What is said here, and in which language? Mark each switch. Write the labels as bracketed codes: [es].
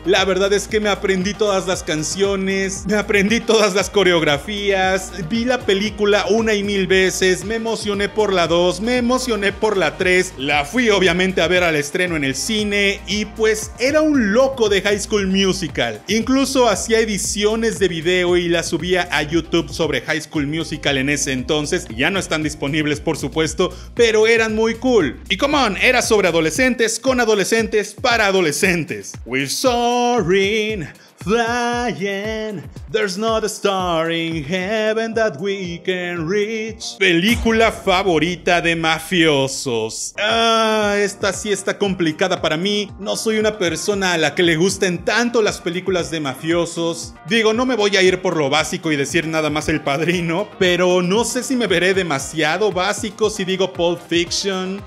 [es] La verdad es que me aprendí todas las canciones, me aprendí todas las coreografías, vi la película una y mil veces, me emocioné por la 2, me emocioné por la 3, la fui obviamente a ver al estreno en el cine, y pues era un loco de High School Musical. Incluso hacía ediciones de video y las subía a YouTube sobre High School Musical en ese entonces. Ya no están disponibles, por supuesto, pero eran muy cool. Y [en] come on, [es] era sobre adolescentes, con adolescentes, para adolescentes. [en] We're soaring, flying, there's not a star in heaven that we can reach. [es] Película favorita de mafiosos. Esta sí está complicada para mí. No soy una persona a la que le gusten tanto las películas de mafiosos. Digo, no me voy a ir por lo básico y decir nada más El Padrino, pero no sé si me veré demasiado básico si digo Pulp Fiction.